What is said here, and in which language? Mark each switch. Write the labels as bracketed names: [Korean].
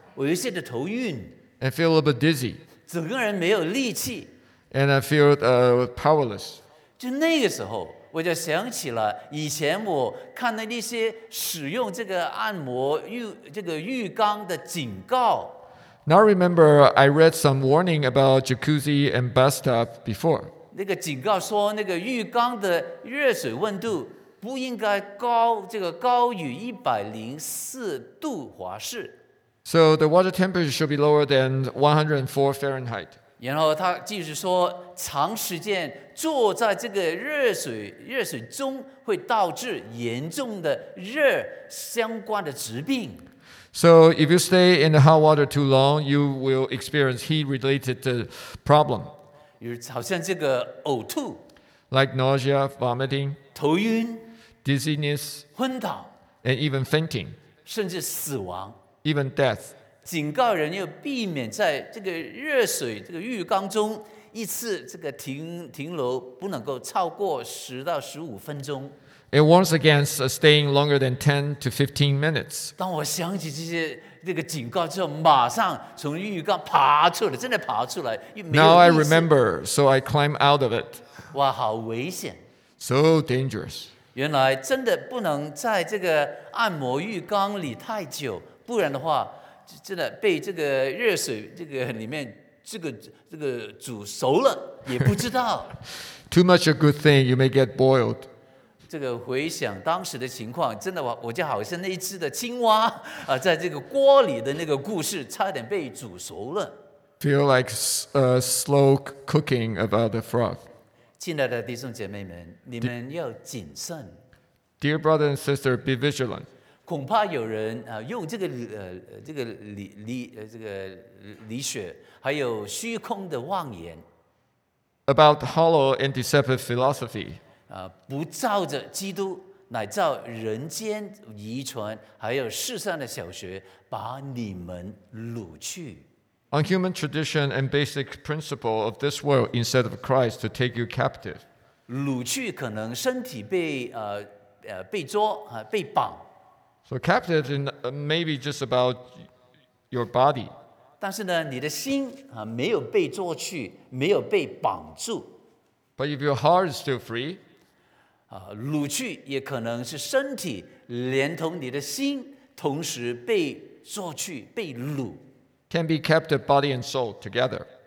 [Chinese] 我有些的头晕。 [English] And feel a little bit dizzy. [Chinese] 整个人没有力气。 [English] And I feel powerless. [Chinese] 就那个时候，我就想起了以前我看的那些使用这个按摩浴缸的警告。 [English] Now remember, I read some warning about jacuzzi and bathtub before. [Chinese] 那个警告说，那个浴缸的热水温度不应该高于104度华氏。 [English] So the water temperature should be lower than 104 Fahrenheit. [Chinese] 然后他继续说，长时间坐在这个热水中会导致严重的热相关的疾病。 [English] So if you stay in the hot water too long, you will experience heat-related problem. [Chinese] 好像这个呕吐。 [English] Like nausea, vomiting. [Chinese] 头晕。 [English] Dizziness. [Chinese] 昏倒。 [English] And even fainting. [Chinese] 甚至死亡。 [English] Even death. [Chinese] 警告人要避免在这个热水这个浴缸中一次这个停留不能够超过10到15分钟。 [English] It warns against staying longer than 10 to 15 minutes. [Chinese] 当我想起这些这个警告之后，马上从浴缸爬出来，真的爬出来，又没有意思。 [English] Now I remember, so I climb out of it. [Chinese] 哇，好危险。 [English] So dangerous. [Chinese] 原来真的不能在这个按摩浴缸里太久，不然的话真的被这个热水这个里面这个煮熟了也不知道。 [English] Too much a good thing, you may get boiled. [Chinese] 这个回想当时的情况，真的我就好像那一只的青蛙啊，在这个锅里的那个故事，差点被煮熟了。 [English] Feel like a slow cooking about the frog. [Chinese] 亲爱的弟兄姐妹们，你们要谨慎。 [English] Dear brother and sister, be vigilant. [Chinese] 恐怕有人啊，用这个这个理血。还有虚空的妄言 [English] about hollow and deceptive philosophy， [Chinese] 不照着基督，乃照人间遗传，还有世上的小学，把你们掳去。 [English] On human tradition and basic principle of this world, instead of Christ to take you captive， [Chinese] 掳去可能身体被被捉啊，被绑。 [English] So captive in maybe just about your body。 [Chinese] 但是呢，你的心啊没有被捉去，没有被绑住。 [English] But if your heart is still free， [Chinese] 掳去也可能是身体连同你的心同时被捉去被掳。 [English] Can be captive body and soul together。